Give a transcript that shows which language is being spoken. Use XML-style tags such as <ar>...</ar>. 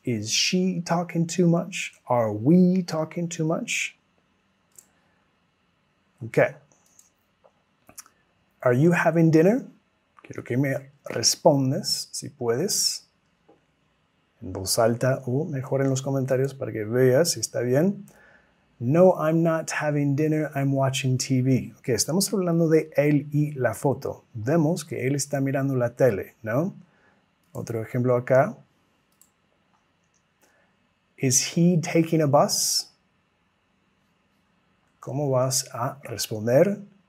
<en>Is she talking too much? Are we talking too much? Okay. Are you having dinner?</en> <es>Quiero que me respondas, si puedes, en voz alta o mejor en los comentarios para que veas si está bien.</es> <en>No, I'm not having dinner, I'm watching TV.</en> <es>Okay, estamos hablando de él y la foto. Vemos que él está mirando la tele, ¿no? Otro ejemplo acá.</es> <en>Is he taking a bus?</en> <es>¿Cómo vas a responder?</es>